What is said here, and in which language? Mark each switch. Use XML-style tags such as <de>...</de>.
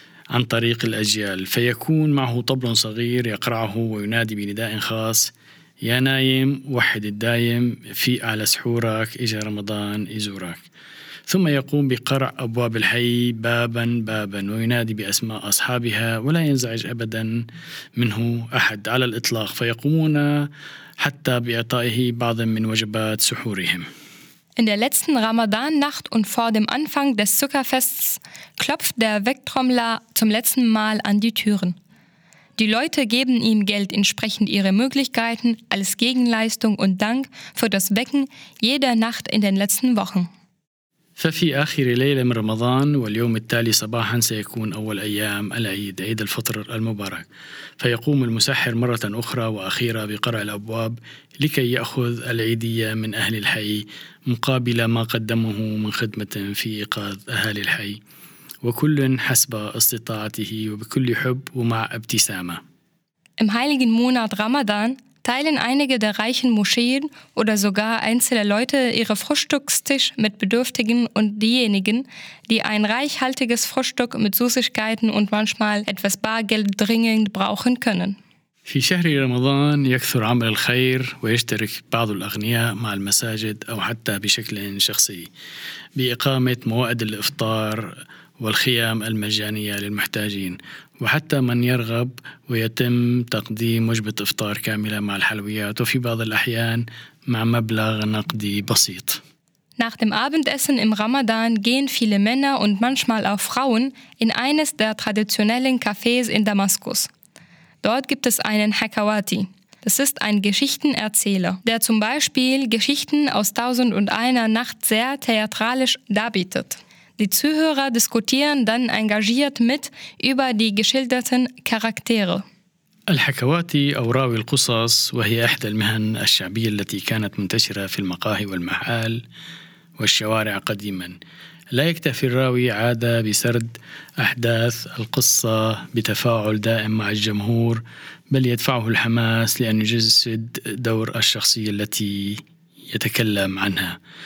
<ar>عن طريق الأجيال فيكون معه طبل صغير يقرعه وينادي بنداء خاص يا نايم وحد الدايم في أعلى سحورك إجا رمضان يزورك ثم يقوم بقرع أبواب الحي باباً باباً وينادي بأسماء أصحابها ولا ينزعج أبداً منه أحد على الإطلاق فيقومون حتى بإعطائه بعض من وجبات سحورهم.</ar> <de>In der letzten Ramadan-Nacht und vor dem Anfang des Zuckerfests klopft der Wecktrommler zum letzten Mal an die Türen. Die Leute geben ihm Geld entsprechend ihrer Möglichkeiten als Gegenleistung und Dank für das Wecken jeder Nacht in den letzten Wochen.</de> <ar>ففي آخر ليلة من رمضان واليوم التالي صباحا سيكون أول أيام العيد عيد الفطر المبارك فيقوم المسحر مرة أخرى وأخيرة بقرع الأبواب لكي يأخذ العيدية من أهل الحي مقابل ما قدمه من خدمة في إيقاظ أهل الحي وكل حسب استطاعته وبكل حب ومع ابتسامة.</ar> <de>Im heiligen Monat Ramadan teilen einige der reichen Moscheen oder sogar einzelne Leute ihre Frühstückstisch mit Bedürftigen und diejenigen, die ein reichhaltiges Frühstück mit Süßigkeiten und manchmal etwas Bargeld dringend brauchen können.</de> <ar>في شهر رمضان يكثر عمل الخير ويشترك بعض الأغنياء مع المساجد أو حتى بشكل شخصي بإقامة موائد الإفطار والخيام المجانية للمحتاجين وحتى من يرغب ويتم تقديم وجبة إفطار كاملة مع الحلويات وفي بعض الأحيان مع مبلغ نقدي بسيط.</ar> <de>Nach dem Abendessen im Ramadan gehen viele Männer und manchmal auch Frauen in eines der traditionellen Cafés in Damaskus. Dort gibt es einen Hakawati. Das ist ein Geschichtenerzähler, der zum Beispiel Geschichten aus 1001 Nacht sehr theatralisch darbietet. Die Zuhörer diskutieren dann engagiert mit über die geschilderten Charaktere.</de> <ar>الحكواتي أو راوي القصص وهي إحدى المهن الشعبية التي كانت منتشرة في المقاهي والمحال والشوارع قديما. لا يكتفي الراوي عادة بسرد أحداث القصة بتفاعل دائم مع الجمهور، بل يدفعه الحماس لأن يجسد دور الشخصية التي يتكلم عنها.</ar>